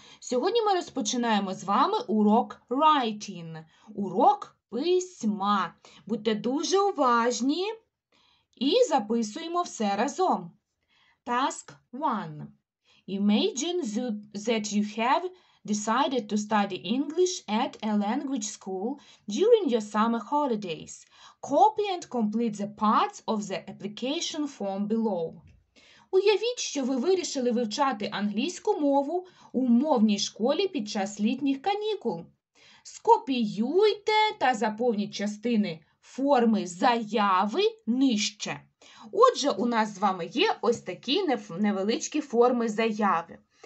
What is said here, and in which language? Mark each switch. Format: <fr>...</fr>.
<uk>Сьогодні ми розпочинаємо з вами урок writing. Урок письма. Будьте дуже уважні і записуємо все разом.</uk> <en>Task 1. Imagine that you have decided to study English at a language school during your summer holidays. Copy and complete the parts of the application form below.</en> <uk>Уявіть, що ви вирішили вивчати англійську мову у мовній школі під час літніх канікул. Скопіюйте та заповніть частини форми заяви нижче. Отже, у нас з вами є ось такі невеличкі форми заяви.</uk>